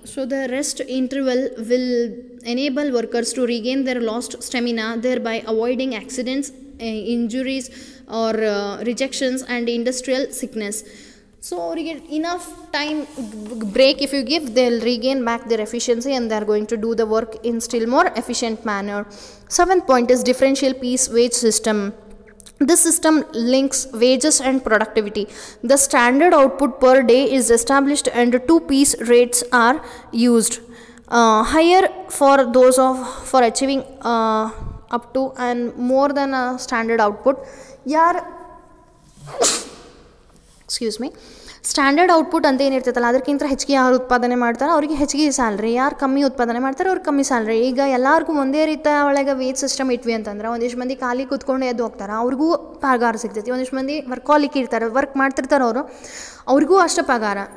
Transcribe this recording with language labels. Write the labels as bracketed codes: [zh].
[en] So the rest interval will enable workers to regain their lost stamina, thereby avoiding accidents, injuries or rejections and industrial sickness. So ಅವರಿಗೆ enough time break if you give, they will regain back their efficiency and they are going to do the work in still more efficient manner. Seventh point is differential piece wage system. This system links wages and productivity. The standard output per day is established and two piece rates are used. Higher for those of for achieving up to and more than a standard output. Yaar, excuse me. [kn] Standard output ಅಂತ ಏನಿರ್ತೈತಲ್ಲ, ಅದಕ್ಕಿಂತ ಹೆಚ್ಚಿಗೆ ಯಾರು ಉತ್ಪಾದನೆ ಮಾಡ್ತಾರೋ ಅವ್ರಿಗೆ ಹೆಚ್ಚಿಗೆ salary, ಯಾರು ಕಮ್ಮಿ ಉತ್ಪಾದನೆ ಮಾಡ್ತಾರೆ ಅವ್ರಿಗೆ ಕಮ್ಮಿ ಸ್ಯಾಲ್ರಿ. ಈಗ ಎಲ್ಲರಿಗೂ ಒಂದೇ ರೀತಿಯ ಒಳಗೆ ವೇಜ್ ಸಿಸ್ಟಮ್ ಇಟ್ವಿ ಅಂತಂದ್ರೆ, ಒಂದಿಷ್ಟು ಮಂದಿ ಖಾಲಿ ಕೂತ್ಕೊಂಡು ಎದ್ದು ಹೋಗ್ತಾರೆ ಅವ್ರಿಗೂ ಪಗಾರ ಸಿಗ್ತೈತಿ, ಒಂದಿಷ್ಟು ಮಂದಿ ವರ್ಕಾಲಿಕ್ ಇರ್ತಾರೆ ವರ್ಕ್ ಮಾಡ್ತಿರ್ತಾರೆ ಅವರು, ಅವ್ರಿಗೂ ಅಷ್ಟು ಪಗಾರ.